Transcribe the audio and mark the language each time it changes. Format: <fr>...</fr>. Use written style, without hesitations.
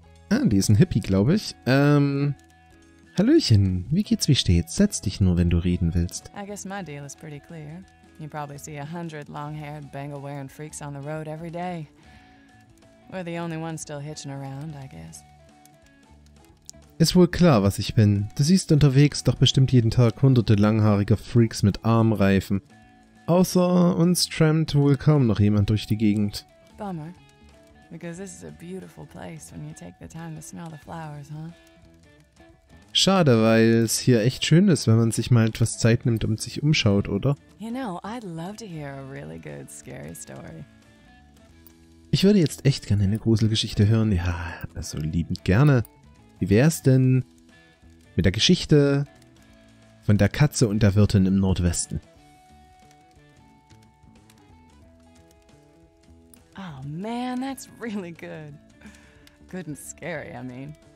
<de>Ah, die ist ein Hippie, glaube ich. Hallöchen, wie geht's, wie steht's? Setz dich nur, wenn du reden willst.</de> <en>I guess my deal is pretty clear. You probably see 100 long-haired, bangle-wearing freaks on the road every day. We're the only one still hitching around, I guess.</en> <de>Ist wohl klar, was ich bin. Du siehst unterwegs doch bestimmt jeden Tag hunderte langhaariger Freaks mit Armreifen. Außer uns trampt wohl kaum noch jemand durch die Gegend.</de> <en>Bummer. Because this is a beautiful place when you take the time to smell the flowers, huh?</en> <de>Schade, weil es hier echt schön ist, wenn man sich mal etwas Zeit nimmt und sich umschaut, oder?</de> <en>You know, I'd love to hear a really good scary story.</en> <de>Ich würde jetzt echt gerne eine Gruselgeschichte hören. Ja, also liebend gerne. Wie wär's denn mit der Geschichte von der Katze und der Wirtin im Nordwesten?</de> <en>Oh man, that's really good. Good and scary, I mean.</en>